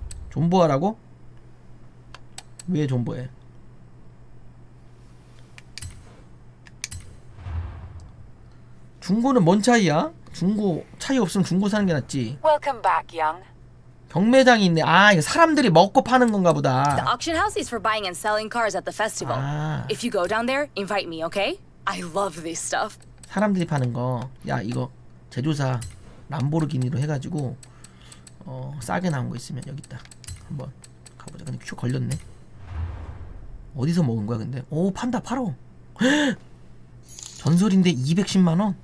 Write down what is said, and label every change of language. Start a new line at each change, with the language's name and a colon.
Korean: 존버하라고? 왜 존버해? 중고는 뭔 차이야? 중고 차이 없으면 중고 사는 게 낫지.
English: Welcome back, young.
Korean: 경매장이 있네. 아, 이거 사람들이 먹고 파는 건가 보다.
English: The auction house is for buying and selling cars at the festival.
Korean: 아.
English: If you go down there, invite me, okay? I love this stuff.
Korean: 사람들이 파는 거. 야, 이거 제조사 람보르기니로 해가지고 어, 싸게 나온 거 있으면 여기 있다. 한번 가보자. 근데 큐 걸렸네. 어디서 먹은 거야 근데? 오, 판다. 팔어. 전설인데 210만원?